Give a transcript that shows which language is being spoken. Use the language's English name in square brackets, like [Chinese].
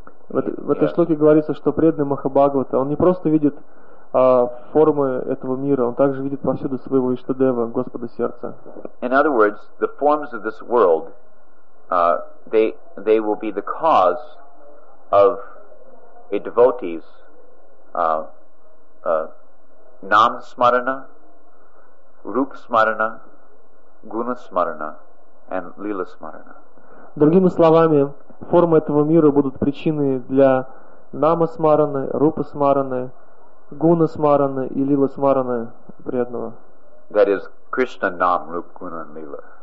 [Russian] В этой шлоке говорится, что преданный Махабхагавата, он не просто видит формы этого мира, он также видит повсюду своего Иштадева, Господа сердца. [English] In other words, the forms of this world, they will be the cause of a devotee's nam smarana, rup smarana, guna smarana, and lila smarana. [Russian] Другими словами, формы этого мира будут причиной для намасмараны, рупасмараны, гунасмараны и лиласмараны преданного. [English] That is Krishna nam, rup, guna, and lila.